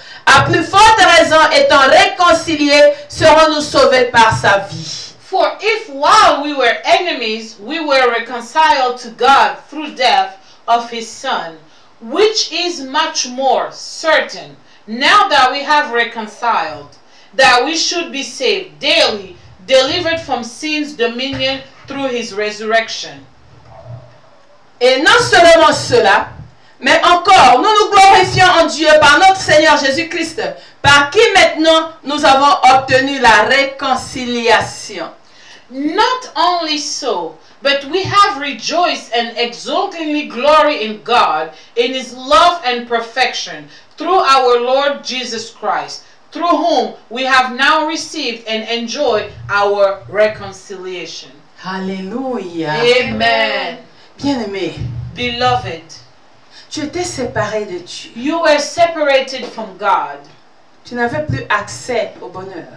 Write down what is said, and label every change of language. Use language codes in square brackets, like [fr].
[fr] À plus forte raison, étant réconciliés, serons-nous sauvés par sa vie. [en] For if while we were enemies, we were reconciled to God through death of his Son. Which is much more certain, now that we have reconciled, that we should be saved daily, delivered from sin's dominion through his resurrection. [fr] Et non seulement cela, mais encore, nous nous glorifions en Dieu par notre Seigneur Jésus-Christ, par qui maintenant nous avons obtenu la réconciliation. [en] Not only so, But we have rejoiced and exultingly glory in God in His love and perfection through our Lord Jesus Christ, through whom we have now received and enjoy our reconciliation. Hallelujah. Amen. [fr] Bien-aimé. [en] Beloved. [fr] Tu étais séparé de Dieu. [en] You were separated from God. [fr] Tu n'avais plus accès au bonheur.